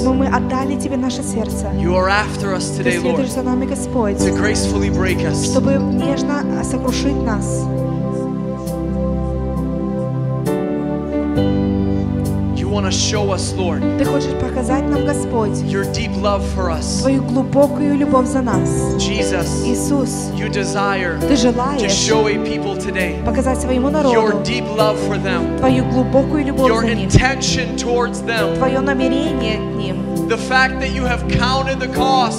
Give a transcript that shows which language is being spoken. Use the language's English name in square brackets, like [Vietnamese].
[English] You are after us today, Lord, [Russian] нами, Господь, [English] to gracefully break us, [Russian] чтобы нежно сокрушить нас. [English] You want to show us, Lord, [Russian] ты хочешь показать нам, Господь, [English] your deep love for us, [Russian] твою глубокую любовь за нас. [English] Jesus, [Russian] Иисус, [English] you desire, [Russian] ты желаешь, [English] to show a people today, [Russian] показать своему народу, [English] your deep love for them, [Russian] твою глубокую любовь [English] your [Russian] за них, [English] intention towards them, [Russian] твое намерение к ним. [English] The fact that you have counted the cost,